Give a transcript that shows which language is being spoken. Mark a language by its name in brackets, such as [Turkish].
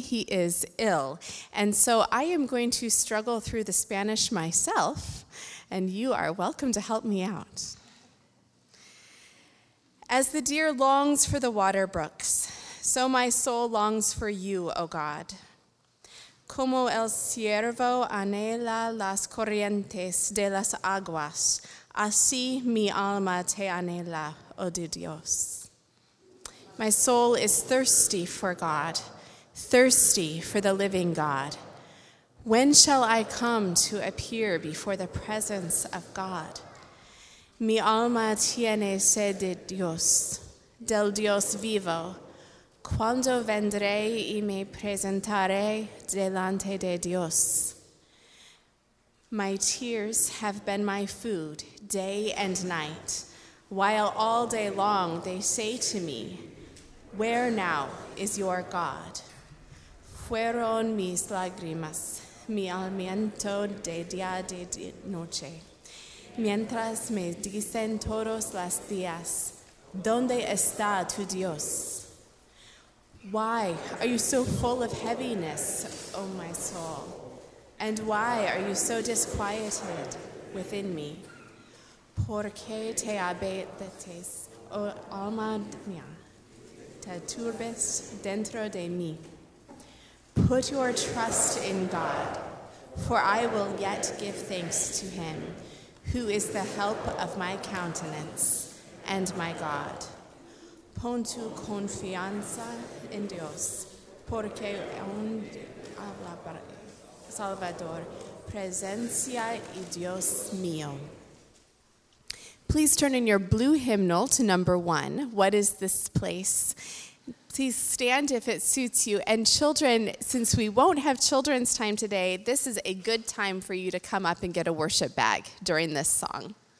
[English] He is ill. And so I am going to struggle through the Spanish myself, and you are welcome to help me out. As the deer longs for the water brooks, so my soul longs for you, O God. [Spanish] Como el ciervo anhela las corrientes de las aguas, así mi alma te anhela, O Dios. [English] My soul is thirsty for God, thirsty for the living God. When shall I come to appear before the presence of God? [Spanish] Mi alma tiene sed de Dios, del Dios vivo. Cuando vendré y me presentaré delante de Dios. [English] My tears have been my food day and night, while all day long they say to me, where now is your God? [Spanish] Fueron mis lágrimas, mi aliento de día de noche. Mientras me dicen todos los días, ¿dónde está tu Dios? [English] Why are you so full of heaviness, O my soul? And why are you so disquieted within me? [Spanish] ¿Por qué te abates, O alma mía? Te turbes dentro de mí. [English] Put your trust in God, for I will yet give thanks to him, who is the help of my countenance and my God. [Spanish] Pon tu confianza en Dios, porque aún habla para Salvador, presencia y Dios mío. [English] Please turn in your blue hymnal to number 1. What is this place? Please stand if it suits you. And children, since we won't have children's time today, this is a good time for you to come up and get a worship bag during this song.